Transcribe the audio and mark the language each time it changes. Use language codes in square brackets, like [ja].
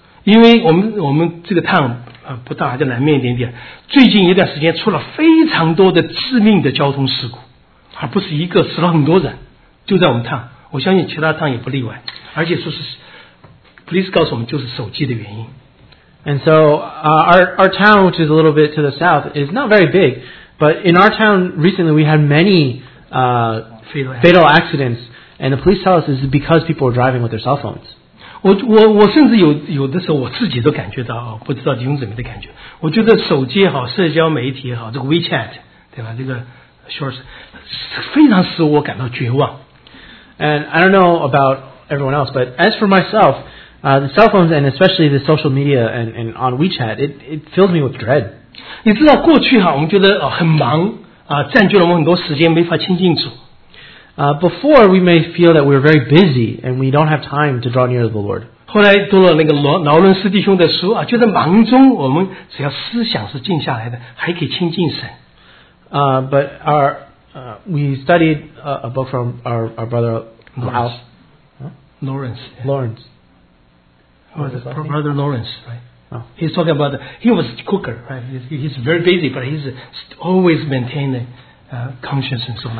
[zh] 因为我们这个 town 不大，就南面一点点。最近一段时间出了非常多的致命的交通事故，而不是一个，死了很多人，就在我们 town。我相信其他趟也不例外，而且说是 ，police 告诉我们就是手机的原因。 [en] And so, our town, which is a little bit to the south, is not very big, but in our town recently we had many fatal accidents, and the police tell us it's because people are driving with their cell phones. [zh] 我甚至有的时候我自己都感觉到，不知道弟兄姊妹的感觉。我觉得手机也好，社交媒体也好，这个 WeChat 对吧？这个 Shorts 非常使我感到绝望。 [en] And I don't know about everyone else, but as for myself, the cell phones and especially the social media and on WeChat, it fills me with dread. [zh] 你知道过去我们觉得很忙，占据了我们很多时间，没法亲近主。 [en] Before, we may feel that we're very busy and we don't have time to draw near to the Lord. [zh] 后来读了那个劳伦斯弟兄的书，觉得忙中我们只要思想是静下来的，还可以亲近神。 [en] But we studied a book from our brother Lawrence. Lyle. Lawrence. Yeah. Lawrence. Brother Lawrence, right? Oh. He's talking about, he was a cooker, right? He's very busy, but he's always maintaining conscience and so on.